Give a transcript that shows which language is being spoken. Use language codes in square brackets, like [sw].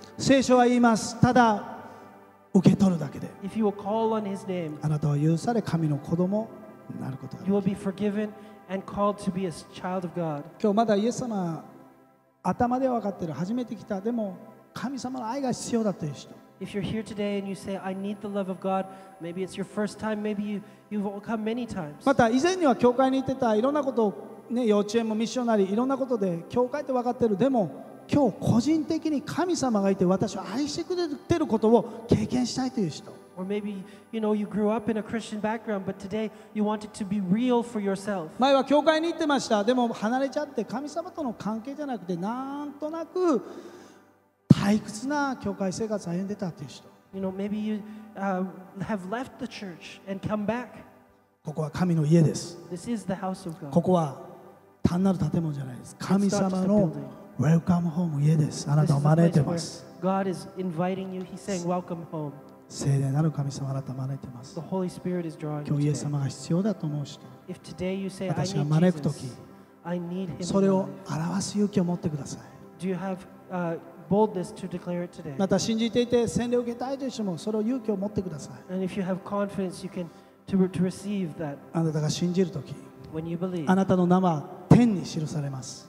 [ja] 聖書は言います。ただ受け取るだけで。 [en] if you will call on his name, [ja] あなたは許され神の子供になることができ [en] る。 you will be forgiven and called to be a child of God. [ja] 今日まだイエス様頭では分かってる、初めて来た、でも神様の愛が必要だという人。 [en] if you're here today and you say I need the love of God, maybe it's your first time, maybe you've come many times. [ja] また以前には教会に行ってた、いろんなことをね、幼稚園もミッションなりいろんなことで教会って分かってる、でも今日個人的に神様がいて私を愛してくれてることを経験したいという人。 [en] or maybe you know you grew up in a Christian background but today you want it to be real for yourself. [ja] 前は教会に行ってました、でも離れちゃって神様との関係じゃなくてなんとなく退屈な教会生活を歩んでたという人。 [en] you know maybe you have left the church and come back. [ja] ここは神の家です。 [en] this is the house of God. [ja] ここは単なる建物じゃないです。神様のウェルカムホーム、家です。あなたを招いてます。 [en] God is inviting you. He's saying, welcome home. [ja] 聖霊なる神様、あなたを招いてます。 [en] The Holy Spirit is drawing [ja] 今日イエス様が必要だと思う人、 [en] If today you say, [ja] 私が招くとき、 [en] I need him. [ja] それを表す勇気を持ってください。 [en] Do you have boldness to declare it today? [ja] また信じていて洗礼を受けたいという人もそれを勇気を持ってください。 [en] And if you have confidence, you can to receive that. [ja] あなたが信じるとき、 [en] When you believe, [ja] あなたの名は天に記されます。